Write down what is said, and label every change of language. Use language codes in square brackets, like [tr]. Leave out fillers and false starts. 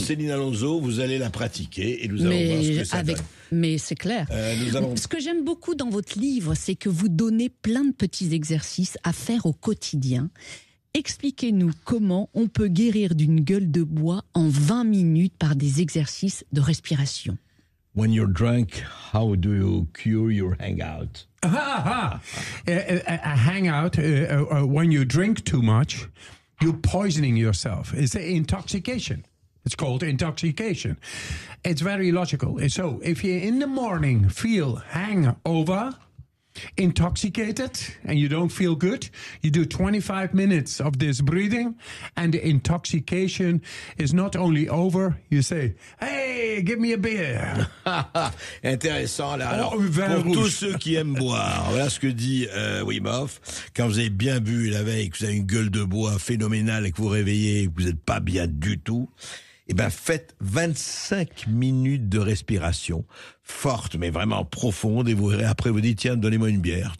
[fr] Céline Alonso, vous allez la pratiquer et nous allons voir ce que ça donne. Mais c'est clair. Ce que j'aime beaucoup dans votre livre, c'est que vous donnez plein de petits exercices à faire au quotidien. Expliquez-nous comment on peut guérir d'une gueule de bois en 20 minutes par des exercices de respiration. [en] When you're drunk, how do you cure your hangout? A hangout, when you drink too much, you're poisoning yourself. It's intoxication. It's called intoxication. It's very logical. So if you in the morning feel hangover, intoxicated and you don't feel good, you do 25 minutes of this breathing and the intoxication is not only over, you say, hey, give me a beer. [fr] Intéressant, là. Alors, oh, pour rouge. Tous ceux qui aiment boire, voilà ce que dit Wim Hof, quand vous avez bien bu la veille, que vous avez une gueule de bois phénoménale et que vous réveillez, que vous n'êtes pas bien du tout, eh bien, faites 25 minutes de respiration forte, mais vraiment profonde, et vous verrez, après, vous dites, tiens, donnez-moi une bière.